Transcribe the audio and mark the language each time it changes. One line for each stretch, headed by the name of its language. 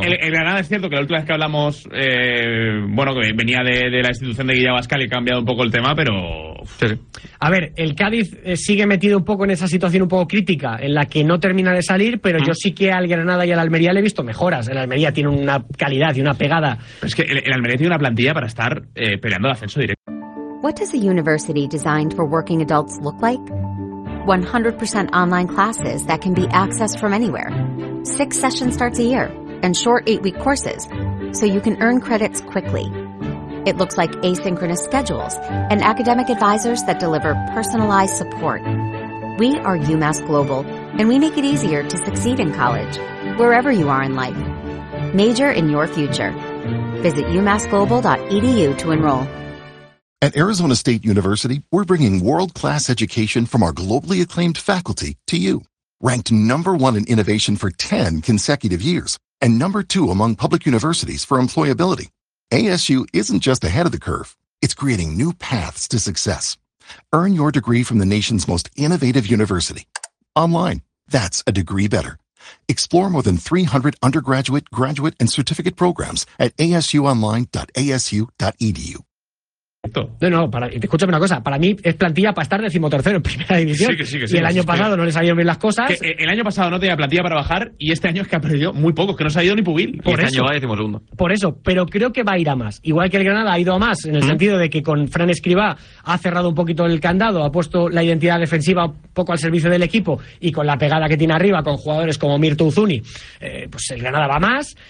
Spanish: El Granada es cierto que la última vez que hablamos, bueno, que venía de la institución de Guille Abascal y ha cambiado un poco el tema, pero... Sí, sí. A ver, el Cádiz sigue metido un poco en esa situación un poco crítica, en la que no termina de salir, pero yo sí que al Granada y al Almería le he visto mejoras. El Almería tiene una calidad y una pegada. Pero es que el Almería tiene una plantilla para estar peleando el ascenso directo.
English: What does a university designed for working adults look like? 100% online classes that can be accessed from anywhere. 6 sessions starts a year, and short 8-week courses, so you can earn credits quickly. It looks like asynchronous schedules and academic advisors that deliver personalized support. We are UMass Global, and we make it easier to succeed in college, wherever you are in life. Major in your future. Visit umassglobal.edu to enroll. At Arizona State University, we're bringing world-class education from our globally acclaimed faculty to you. Ranked number one in innovation for 10 consecutive years, and number two among public universities for employability, ASU isn't just ahead of the curve, it's creating new paths to success. Earn your degree from the nation's most innovative university. Online, that's a degree better. Explore more than 300 undergraduate, graduate, and certificate programs at asuonline.asu.edu.
Spanish: No, escúchame una cosa, para mí es plantilla para estar decimotercero en primera división. Sí. Y el año pasado no le salieron bien las cosas. El año pasado no tenía plantilla para bajar, y este año es que ha perdido muy poco, es que no se ha ido ni Pubil. Año va decimosegundo. Por eso, pero creo que va a ir a más. Igual que el Granada ha ido a más, en el sentido de que con Fran Escribá ha cerrado un poquito el candado, ha puesto la identidad defensiva un poco al servicio del equipo, y con la pegada que tiene arriba, con jugadores como Mirtu Uzuni, pues el Granada va a más.